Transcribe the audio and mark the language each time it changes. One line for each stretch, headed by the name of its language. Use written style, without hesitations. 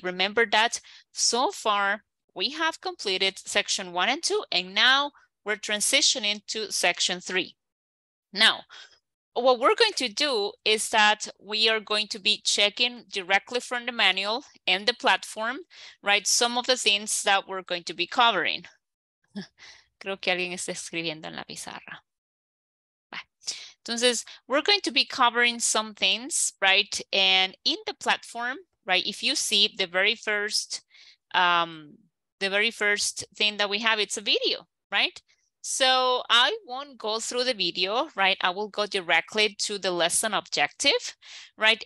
English: Remember that so far, we have completed section 1 and 2, and now we're transitioning to section 3. Now, what we're going to do is that we are going to be checking directly from the manual and the platform, right? Some of the things that we're going to be covering.
Spanish: Creo que alguien está escribiendo en la pizarra.
English: Entonces, we're going to be covering some things, right? And in the platform, right? If you see the very first, the very first thing that we have, it's a video, right? So I won't go through the video, right? I will go directly to the lesson objective, right?